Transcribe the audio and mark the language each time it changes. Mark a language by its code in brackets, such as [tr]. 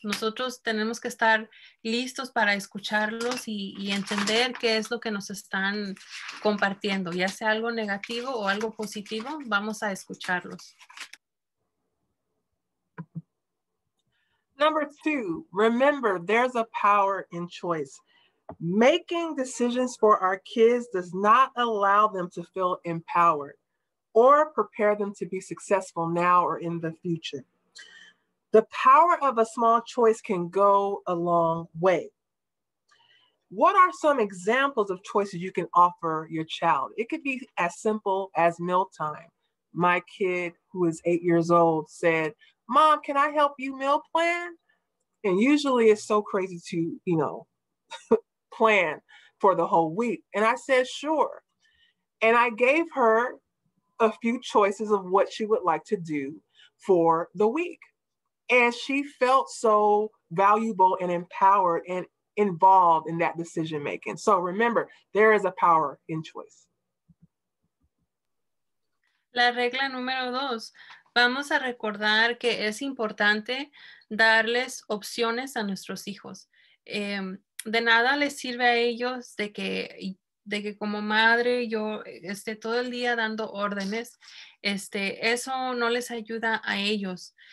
[es] Nosotros tenemos que estar listos para escucharlos y entender qué es lo que nos están compartiendo. Ya sea algo negativo o algo positivo, vamos a escucharlos. [en] Number two, remember there's a power in choice. Making decisions for our kids does not allow them to feel empowered or prepare them to be successful now or in the future. The power of a small choice can go a long way. What are some examples of choices you can offer your child? It could be as simple as mealtime. My kid, who is 8 years old, said, "Mom, can I help you meal plan?" And usually it's so crazy to, you know, plan for the whole week. And I said, "Sure." And I gave her a few choices of what she would like to do for the week. And she felt so valuable and empowered and involved in that decision making. So remember, there is a power in choice. [es] La regla número dos, vamos a recordar que es importante darles opciones a nuestros hijos. De nada les sirve a ellos de que como madre yo esté todo el día dando órdenes, eso no les ayuda a ellos.